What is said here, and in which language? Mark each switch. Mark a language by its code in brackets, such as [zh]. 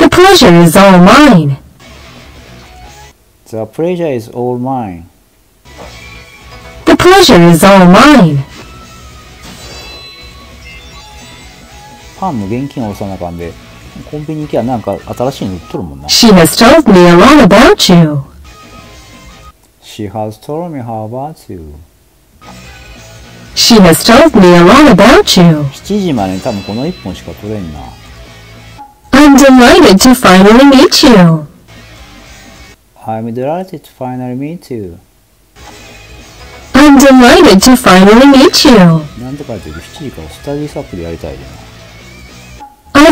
[en] The pleasure is all mine The pleasure is all mine The pleasure is all mine [ja] パンの現金を押さなかんでコンビニ行きゃなんか新しいの売っとるもんな [en] She has told me a lot about you She has told me how about you She has told me a lot about you. [ja] 7時までに多分この1本しか取れんな。 [en] I'm delighted to finally meet you. I'm delighted to finally meet you. I'm delighted to finally meet you. [ja] なんとか言ってる7時からスタディサップでやりたいじゃん。